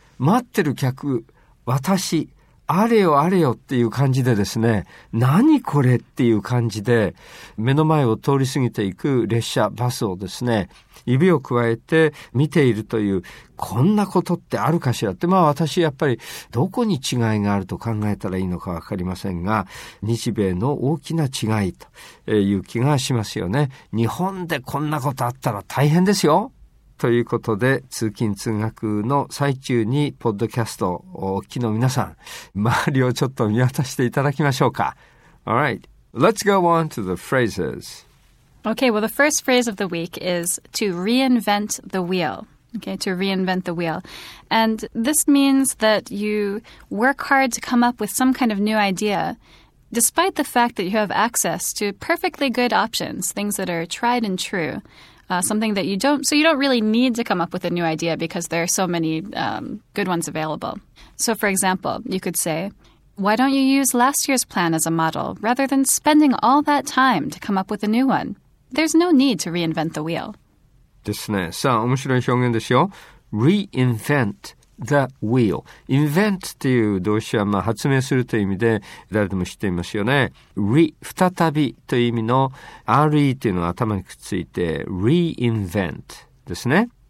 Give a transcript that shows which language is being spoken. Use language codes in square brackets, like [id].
[ja] 待ってる客、私、あれよあれよっていう感じでですね、何これっていう感じで、目の前を通り過ぎていく列車、バスをですね、指を加えて見ているという、こんなことってあるかしらって、まあ私やっぱりどこに違いがあると考えたらいいのか分かりませんが、日米の大きな違いという気がしますよね。日本でこんなことあったら大変ですよ。ということで、通勤通学の最中にポッドキャストをお聞きの皆さん、周りをちょっと見渡していただきましょうか。 [en] Alright, let's go on to the phrases. Okay, well the first phrase of the week is to reinvent the wheel. Okay, to reinvent the wheel. And this means that you work hard to come up with some kind of new idea, despite the fact that you have access to perfectly good options, things that are tried and true. You don't really need to come up with a new idea because there are so many good ones available. So, for example, you could say, why don't you use last year's plan as a model rather than spending all that time to come up with a new one? There's no need to reinvent the wheel. [ja] ですね。さあ、面白い表現ですよ。 [en] reinvent the wheel。 [ja] invent っていう動詞は、まあ、発明するという意味で誰でも知っていますよね。 re、再びという意味の re というのが頭にくっついて、reinvent ですね。